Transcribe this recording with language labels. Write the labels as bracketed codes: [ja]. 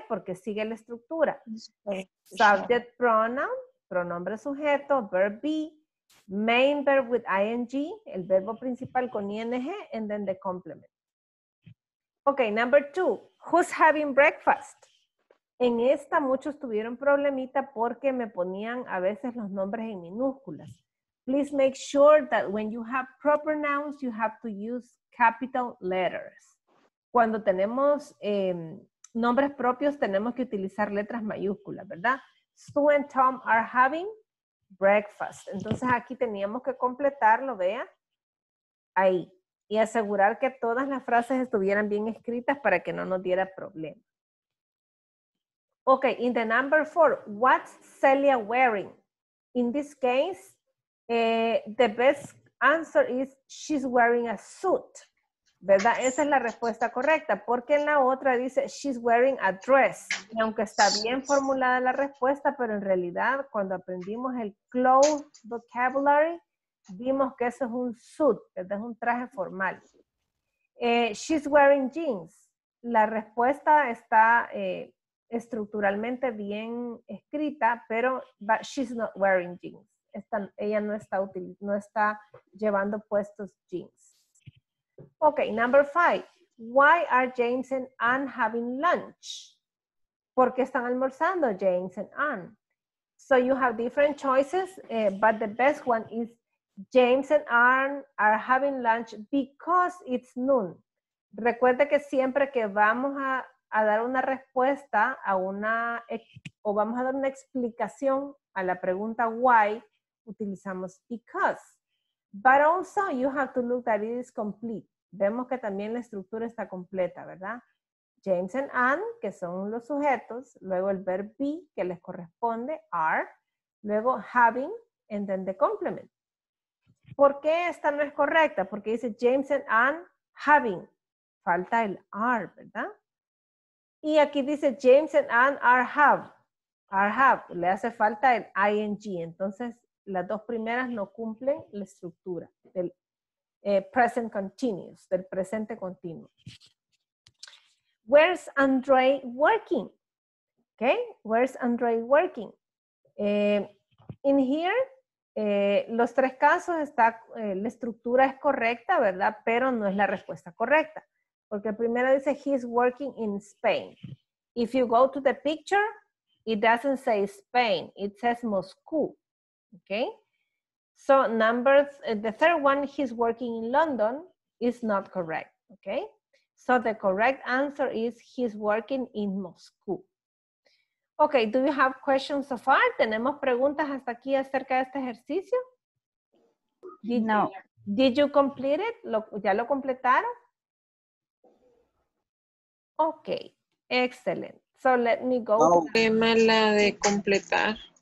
[es] Porque sigue la estructura. [en] Subject pronoun, [es] pronombre sujeto, [en] verb be. Main verb with ing, [es] el verbo principal con ing, [en] and then the complement. Okay, number two, who's having breakfast? [es] En esta muchos tuvieron problemita porque me ponían a veces los nombres en minúsculas. [en] Please make sure that when you have proper nouns, you have to use capital letters. [es] Cuando tenemos nombres propios, tenemos que utilizar letras mayúsculas, ¿verdad? [en] Sue and Tom are having breakfast. [es] Entonces aquí teníamos que completarlo, vea, ahí. Y asegurar que todas las frases estuvieran bien escritas para que no nos diera problema. [en] Okay, in the number four, what's Celia wearing? In this case, The best answer is she's wearing a suit. [es] ¿Verdad? Esa es la respuesta correcta. Porque en la otra dice [en] she's wearing a dress. [es] Y aunque está bien formulada la respuesta, pero en realidad cuando aprendimos el [en] clothes vocabulary, [es] vimos que eso es un suit, ¿verdad? Es un traje formal. [en] She's wearing jeans. [es] La respuesta está estructuralmente bien escrita, pero [en] but she's not wearing jeans. [es] Está, ella no está, no está llevando puestos jeans. [en] Okay, number five. Why are James and Anne having lunch? [es] ¿Por qué están almorzando James and Anne? [en] So you have different choices, but the best one is James and Anne are having lunch because it's noon. [es] Recuerde que siempre que vamos a dar una respuesta a una, o vamos a dar una explicación a la pregunta why, utilizamos because. [en] But also you have to look that it is complete. [es] Vemos que también la estructura está completa, ¿verdad? James and Anne, que son los sujetos, luego el verb be, que les corresponde, are, luego having, [en] and then the complement. [es] ¿Por qué esta no es correcta? Porque dice James and Anne having, falta el are, ¿verdad? Y aquí dice James and Anne are have, le hace falta el ing, entonces las dos primeras no cumplen la estructura del [en] present continuous, [es] del presente continuo. [en] Where's Andre working? Okay, where's Andre working? In here, [es] los tres casos está, la estructura es correcta, ¿verdad? Pero no es la respuesta correcta. Porque el primero dice, [en] he's working in Spain. If you go to the picture, it doesn't say Spain, it says Moscú. Okay? So, numbers, the third one, he's working in London, is not correct, okay? So, the correct answer is he's working in Moscow. Okay, do you have questions so far? [es] ¿Tenemos preguntas hasta aquí acerca de este ejercicio? No. [en] Did you complete it? [es] ¿Ya lo completaron? [en] Okay, excellent. So, let me go. [es] No, qué mala de completar.